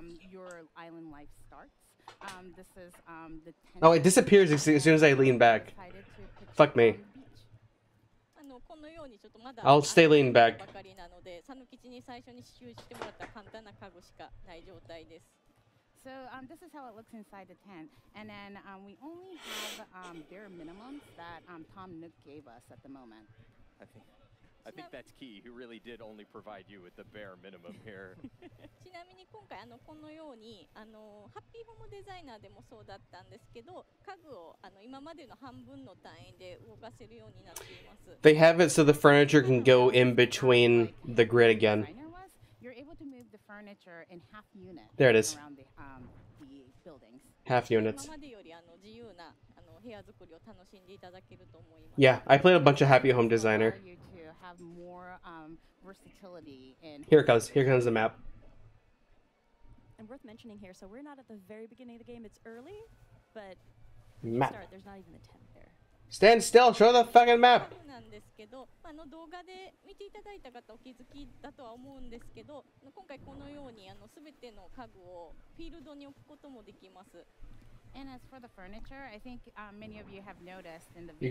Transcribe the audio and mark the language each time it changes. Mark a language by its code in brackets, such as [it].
[en] Your island life starts. This is the tent. Oh, it disappears as soon as I lean back. Fuck me. [ja] あのこのようにちょっとまだ。 [en] I'll stay leaning back. [ja] ばかりなので、サヌキチに最初に支給してもらった簡単な家具しかない状態です。 [en] So this is how it looks inside the tent, and then we only have bare minimums that Tom Nook gave us at the moment. I think that's key. Who really did only provide you with the bare minimum here? [ja] ちなみに今回あのこのようにあのハッピーホームデザイナーでもそうだったんですけど、家具をあの今までの半分の単位で動かせるようになっています。 [en] They have it so the furniture can go in between the grid again. You're able to move the furniture in half units. There it is. Around the buildings. Half units. [ja] 今までよりあの自由なあの部屋作りを楽しんでいただけると思います。 [en] Yeah, I played a bunch of Happy Home Designer. Have more versatility in here comes the map. And worth mentioning here, so we're not at the very beginning of the game, it's early, but map. Start, there's not even a tent there. Stand still, show the fucking map. [ja] なんですけど、あの動画で見ていただいた方お気づきだとは思うんですけど、今回このようにあのすべての家具をフィールドに置くこともできます。 [en] And as for the furniture, I think many of you have noticed in the video,